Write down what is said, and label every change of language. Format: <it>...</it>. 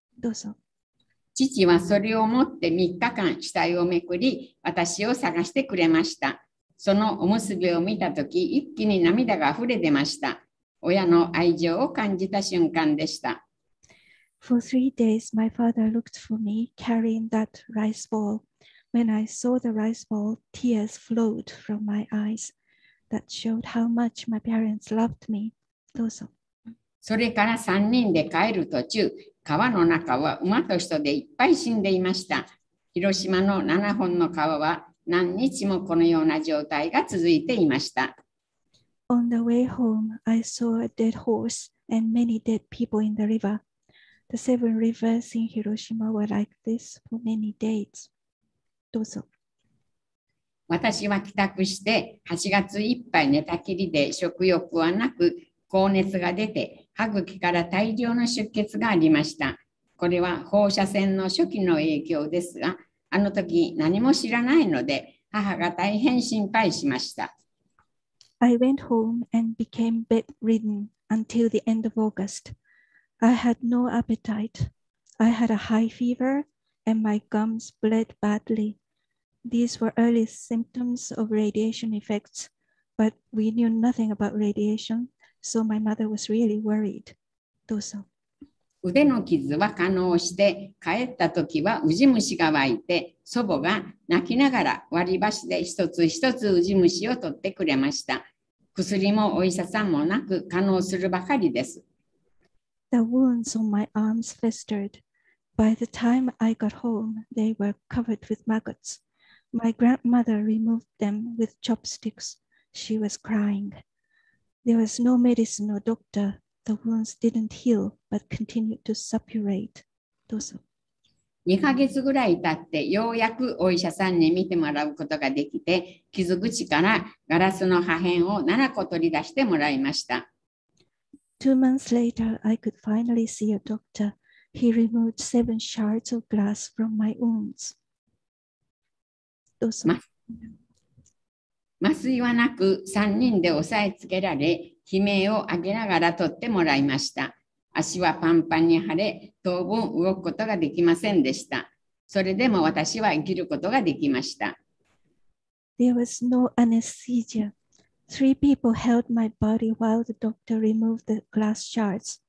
<ja>どうぞ。父はそれを持って3日間死体をめくり、私を探してくれました。そのおむすびを見たとき、一気に涙が溢れ出ました。親の愛情を感じた瞬間でした。</ja> <en>For 3 days, my father looked for me carrying that rice ball. When I saw the rice ball, tears flowed from my eyes. That showed how much my parents loved me.</en> <ja>どうぞ。それから3人で帰る途中、川の中は馬と人でいっぱい死んでいました。広島の7本の川は何日もこのような状態が続いていました。</ja> <en>On the way home, I saw a dead horse and many dead people in the river. The 7 rivers in Hiroshima were like this for many days.</en> <ja>どうぞ。私は帰宅して8月いっぱい寝たきりで食欲はなく高熱が出て歯茎から大量の出血がありました。これは放射線の初期の影響ですが、あの時何も知らないので母が大変心配しました。</ja> <en>I went home and became bedridden until the end of August. I had no appetite. I had a high fever and my gums bled badly. These were early symptoms of radiation effects, but we knew nothing about radiation, so my mother was really worried.</en> <ja>どうぞ。腕の傷は化膿して、帰った時はウジ虫が湧いて、祖母が泣きながら割り箸で一つ一つウジ虫を取ってくれました。薬もお医者さんもなく、化膿するばかりです。</ja> <en>The wounds on my arms festered. By the time I got home, they were covered with maggots. My grandmother removed them with chopsticks. She was crying. There was no medicine or doctor. The wounds didn't heal, but continued to suppurate.</en> <ja>どうぞ。 2ヶ月ぐらい経ってようやくお医者さんに診てもらうことができて、傷口からガラスの破片を7個取り出してもらいました。</ja> <en>2 months later, I could finally see a doctor. He removed 7 shards of glass from my wounds.</en> <ja>どうぞ。麻酔はなく3人で押さえつけられ、悲鳴を上げながら取ってもらいました。足はパンパンに腫れ、当分動くことができませんでした。それでも私は生きることができました。</ja> <en>There was no anesthesia. Three people held my body while the doctor removed the glass shards.</en>